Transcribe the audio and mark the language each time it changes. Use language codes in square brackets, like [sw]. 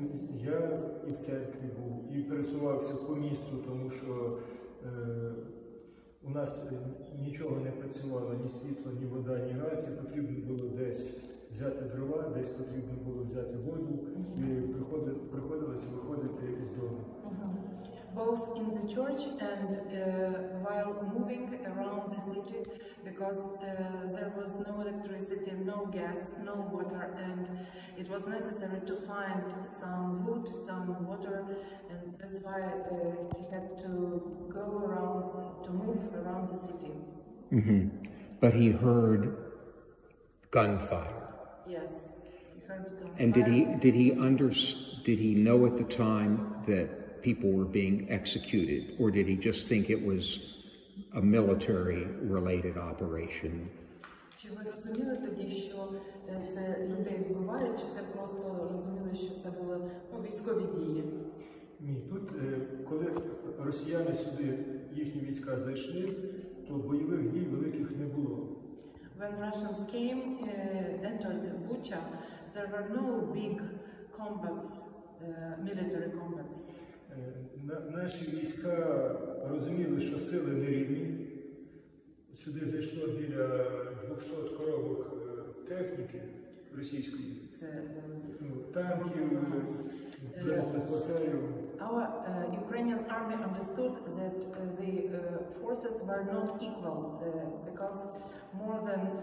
[uk] Я і в церкві був, і пересувався по місту, тому що у нас нічого не працювало, ні світло, ні вода, ні газ, і потрібно було десь взяти дрова, десь потрібно було взяти воду, і приходилося виходити із дому. [en] Both in the church and while moving around the city, because there was no electricity, no gas, no water, and it was necessary to find some wood, some water, and that's why he had to go around, to move around the city. Mm-hmm. But he heard gunfire. Yes, he heard gunfire. And did he know at the time that people were being executed, or did he just think it was a military-related operation? [uk] Чи ви розуміли тоді, що це людей вбивають, чи це просто розуміли, що це були, ну, військові дії? Ні, тут, коли росіяни сюди, їхні війська зайшли, то бойових дій великих не було. [en] When Russians came, entered Bucha, there were no big combats, military combats. [uk] Наші війська розуміли, що сили нерівні. Сюди зайшло біля 200 коробок техніки російської. Це танків, транспортерів. [en] Our Ukrainian army understood that the forces were not equal, because more than